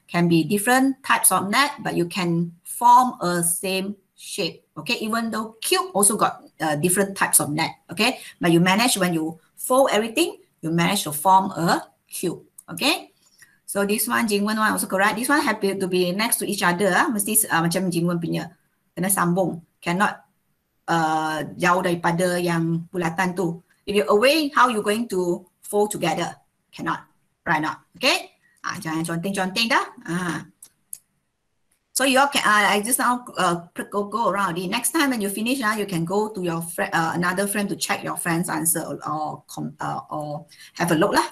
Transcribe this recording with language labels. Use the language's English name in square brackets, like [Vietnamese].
[English] Can be different types of net, but you can form a same shape. Okay, even though cube also got different types of net. Okay, but you manage when you fold everything, you manage to form a cube. Okay, so this one, Jingwen one also correct. This one happy to be next to each other. [Malay] Mesti macam Jingwen punya, kena sambung. Cannot jauh daripada yang bulatan tu. [English] If you're away, how you going to fold together? Cannot, right not? Okay. [Malay] Jangan conteng-conteng dah. [English] So you all can, I just now go around. The next time when you finish, you can go to your another friend to check your friend's answer or have a look lah.